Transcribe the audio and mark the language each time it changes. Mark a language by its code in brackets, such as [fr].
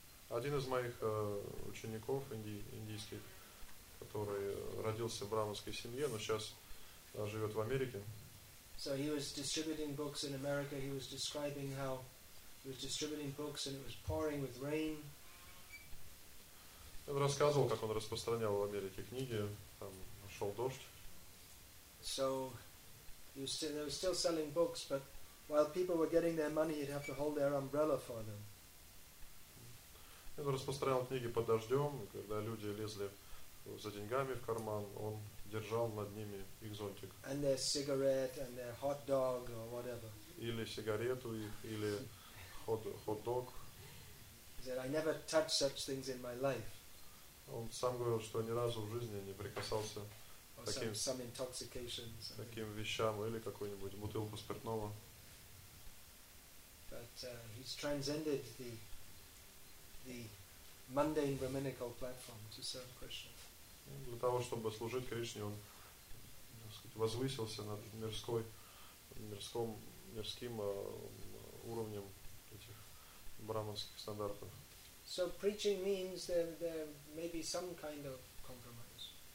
[ru] Один из моих учеников индийских, который родился в брахманской семье, но сейчас живет в Америке. [en] So he was distributing books in America. He was describing how he was distributing books and it was pouring with rain. [ru] Он рассказывал, как он распространял в Америке книги, там шел дождь. [en] So they were still selling books, but while people were getting their money, you'd have to hold their umbrella for them. [ru] Он распространял книги под дождем, когда люди лезли за деньгами в карман, он держал над ними их зонтик. [en] And their cigarette, and their hot dog, or whatever. [ru] Или сигарету их, или хот-дог. [en] He said, I never touched such things in my life. [ru] Он сам говорил, что ни разу в жизни не прикасался таким, [en] some intoxication, [ru] таким вещам, или какую-нибудь бутылку спиртного. [en] But he's transcended the mundane brahminical platform to serve Krishna. [ru] Для того, чтобы служить Кришне, он, так сказать, возвысился над мирским уровнем этих брахманских стандартов. [en] So preaching means there may be some kind of compromise.